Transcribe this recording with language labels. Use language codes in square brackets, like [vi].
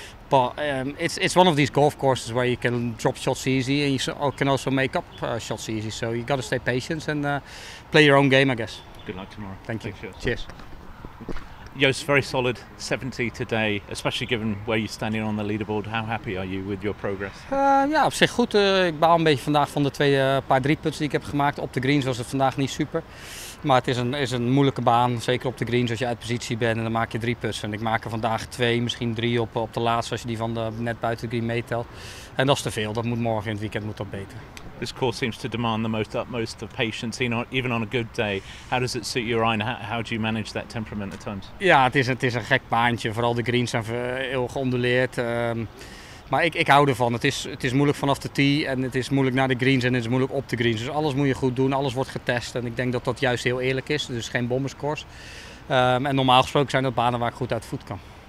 [en] But it's one of these golf courses where you can drop shots easy and you can also make up shots easy. So you got to stay patient and play your own game, I guess. Good luck tomorrow. Thank you. Thanks. Cheers. Joost, very solid 70 today, especially given where you're standing on the leaderboard. How happy are you with your progress? [nl] Ja, op zich goed. Ik baal een beetje vandaag van de twee paar drie putts die ik heb gemaakt. Op de greens was het vandaag niet super. Maar het is een moeilijke baan, zeker op de greens als je uit positie bent en dan maak je drie putts. En ik maak er vandaag 2, misschien 3 op de laatste als je die van de net buiten de green meetelt. En dat is te veel. Dat moet morgen in het weekend moet dat beter. [en] This course seems to demand the utmost of patience, even on a good day. How does it suit your eye? How do you manage that temperament at times? [nl] Ja, het is een gek baantje. Vooral de greens zijn heel geonduleerd. Maar ik hou ervan. Het is moeilijk vanaf de tee en het is moeilijk naar de greens en het is moeilijk op de greens. Dus alles moet je goed doen, alles wordt getest. En ik denk dat dat juist heel eerlijk is. Dus geen bomberscores. En normaal gesproken zijn dat banen waar ik goed uit voet kan.